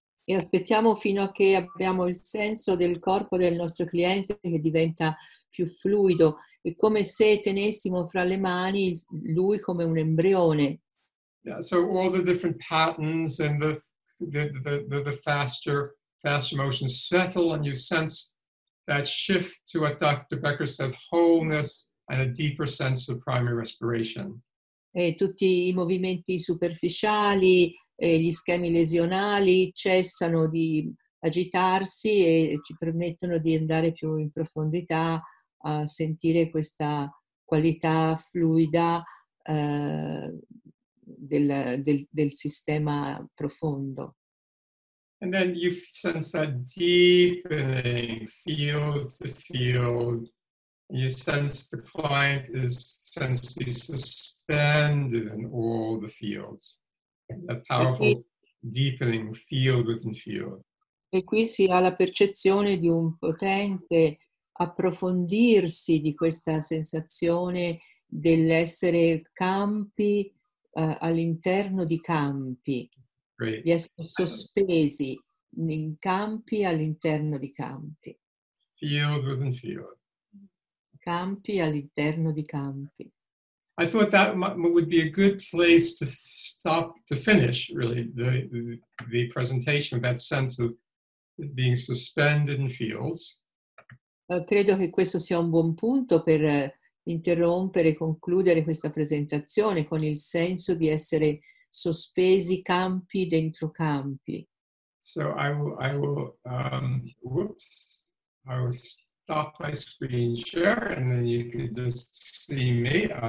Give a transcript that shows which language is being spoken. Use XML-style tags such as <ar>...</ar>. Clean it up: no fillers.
<it>E aspettiamo fino a che abbiamo il senso del corpo del nostro cliente che diventa più fluido. È come se tenessimo fra le mani lui come un embrione.</it> <en>Yeah, so all the different patterns and the faster motions settle and you sense that shift to what Dr. Becker said, wholeness and a deeper sense of primary respiration.</en> <it>E tutti i movimenti superficiali, gli schemi lesionali cessano di agitarsi e ci permettono di andare più in profondità a sentire questa qualità fluida del sistema profondo.</it> <en>And then you sense that deepening field to field. You sense the client is sensed to be suspended in all the fields. A powerful deepening field within field.</en> <it>E qui si ha la percezione di un potente approfondirsi di questa sensazione dell'essere campi all'interno di campi.</it> <en>Great.</en> <it>Di essere sospesi in campi all'interno di campi.</it> <en>Field within field.</en> <it>Campi all'interno di campi.</it> <en>I thought that would be a good place to stop, to finish, really, the presentation of that sense of being suspended in fields.</en> <it>Credo che questo sia un buon punto per interrompere e concludere questa presentazione con il senso di essere sospesi campi dentro campi.</it> <en>So I will stop my screen share and then you can just see me.</en>